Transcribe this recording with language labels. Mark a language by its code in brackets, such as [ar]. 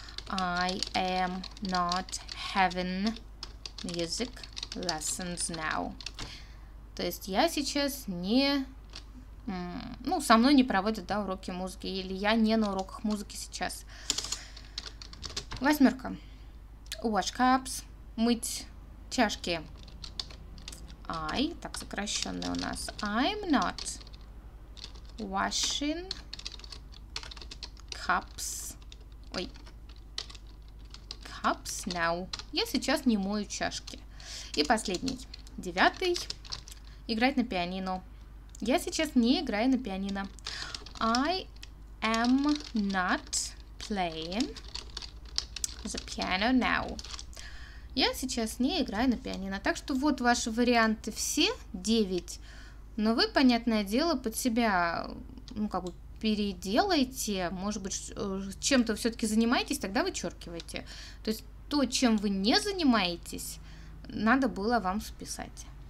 [en] I am not having music lessons now. [ru] То есть я сейчас не... Ну, со мной не проводят, да, уроки музыки. Или я не на уроках музыки сейчас. Восьмерка. [en] Wash cups. [ru] Мыть чашки. [en] I, [ru] так сокращенное у нас. [en] I'm not washing cups. [ru] Ой. [en] Cups now. [ru] Я сейчас не мою чашки. И последний. Девятый. Играть на пианино. Я сейчас не играю на пианино. [en] I am not playing the piano now. [ru] Я сейчас не играю на пианино. Так что вот ваши варианты все, 9. Но вы, понятное дело, под себя, ну, как бы переделаете. Может быть, чем-то все-таки занимаетесь, тогда вычеркивайте. То есть то, чем вы не занимаетесь, надо было вам списать.